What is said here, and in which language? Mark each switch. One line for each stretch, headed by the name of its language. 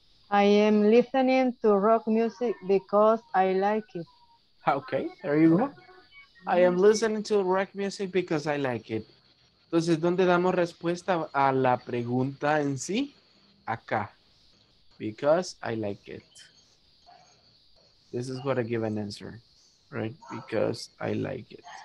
English: I am listening to rock music because I like it. Okay, there you go. I am listening to rock music because I like it.
Spanish: Entonces, ¿dónde damos respuesta a la pregunta en sí? Acá.
English: Because I like it. This is what I give an answer, right? Because I like it.